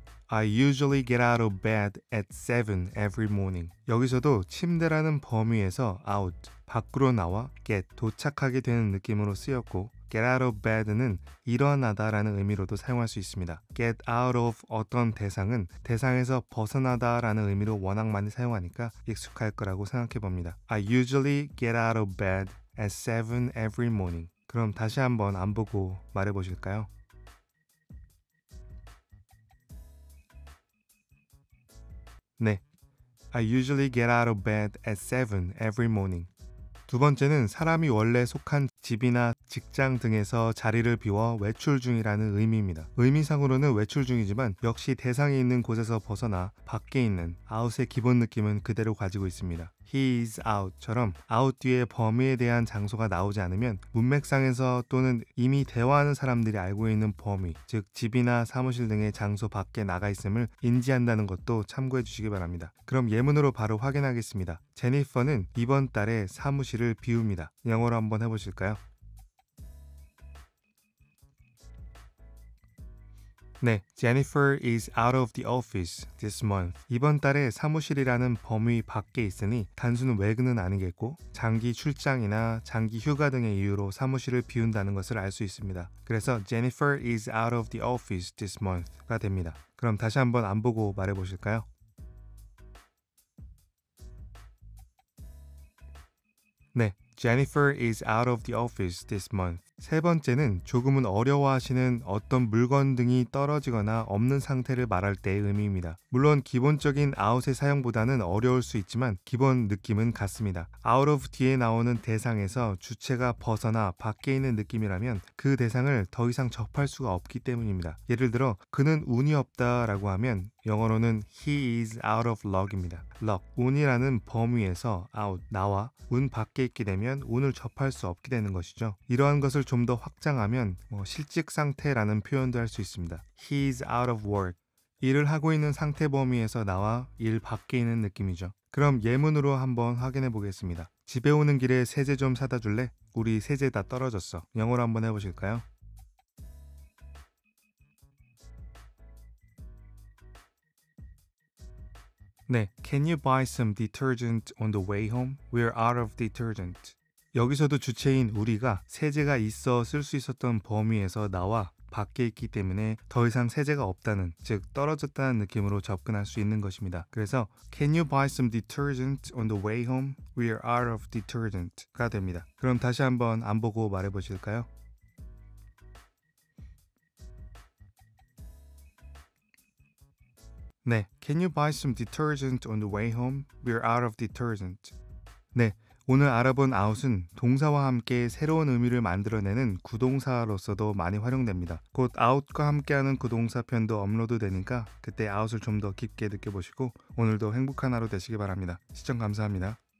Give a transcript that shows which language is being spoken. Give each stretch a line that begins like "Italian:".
English: I usually get out of bed at 7 every morning.
Korean: 여기서도 침대라는 범위에서 out, 밖으로 나와 get, 도착하게 되는 느낌으로 쓰였고 get out of bed는 일어나다 라는 의미로도 사용할 수 있습니다. get out of 어떤 대상은 대상에서 벗어나다 라는 의미로 워낙 많이 사용하니까 익숙할 거라고 생각해 봅니다.
English: I usually get out of bed at 7 every morning.
Korean: 그럼 다시 한번 안 보고 말해 보실까요?
English: I usually get out of bed at 7 every morning.
Korean: 두 번째는 사람이 원래 속한 집이나 직장 등에서 자리를 비워 외출 중이라는 의미입니다. 의미상으로는 외출 중이지만 역시 대상이 있는 곳에서 벗어나 밖에 있는 out의 기본 느낌은 그대로 가지고 있습니다.
English: He is out
Korean: 처럼 out 뒤에 범위에 대한 장소가 나오지 않으면 문맥상에서 또는 이미 대화하는 사람들이 알고 있는 범위, 즉 집이나 사무실 등의 장소 밖에 나가 있음을 인지한다는 것도 참고해 주시기 바랍니다. 그럼 예문으로 바로 확인하겠습니다. 제니퍼는 이번 달에 사무실을 비웁니다. 영어로 한번 해보실까요?
English: 네, Jennifer is out of the office this month.
Korean: 이번 달에 사무실이라는 범위 밖에 있으니 단순 외근은 아니겠고 장기 출장이나 장기 휴가 등의 이유로 사무실을 비운다는 것을 알 수 있습니다. 그래서
English: Jennifer is out of the office this month
Korean: 가 됩니다. 그럼 다시 한번 안 보고 말해 보실까요?
English: Jennifer is out of the office this month.
Korean: 세 번째는 조금은 어려워하시는 어떤 물건 등이 떨어지거나 없는 상태를 말할 때의 의미입니다. 물론 기본적인 out의 사용보다는 어려울 수 있지만 기본 느낌은 같습니다. out of 뒤에 나오는 대상에서 주체가 벗어나 밖에 있는 느낌이라면 그 대상을 더 이상 접할 수가 없기 때문입니다. 예를 들어 그는 운이 없다라고 하면 영어로는
English: he is out of luck
Korean: 입니다. luck, 운이라는 범위에서 out, 나와 운 밖에 있게 되면 운을 접할 수 없게 되는 것이죠. 이러한 것을 좀 더 확장하면 뭐 실직 상태라는 표현도 할 수 있습니다.
English: He is out of work.
Korean: 일을 하고 있는 상태 범위에서 나와 일 밖에 있는 느낌이죠. 그럼 예문으로 한번 확인해 보겠습니다. 집에 오는 길에 세제 좀 사다 줄래? 우리 세제 다 떨어졌어. 영어로 한번 해보실까요?
English: Can you buy some detergent on the way home? We're out of detergent.
Korean: 여기서도 주체인 우리가 세제가 있어 쓸 수 있었던 범위에서 나와 밖에 있기 때문에 더 이상 세제가 없다는, 즉 떨어졌다는 느낌으로 접근할 수 있는 것입니다. 그래서
English: Can you buy some detergent on the way home? We are out of detergent
Korean: 가 됩니다. 그럼 다시 한번 안 보고 말해 보실까요?
English: 네, Can you buy some detergent on the way home? We're out of detergent.
Korean: 네, 오늘 알아본 out은 동사와 함께 새로운 의미를 만들어내는 구동사로서도 많이 활용됩니다. 곧 out과 함께하는 구동사 편도 업로드 되니까 그때 out을 좀 더 깊게 느껴보시고 오늘도 행복한 하루 되시기 바랍니다. 시청 감사합니다.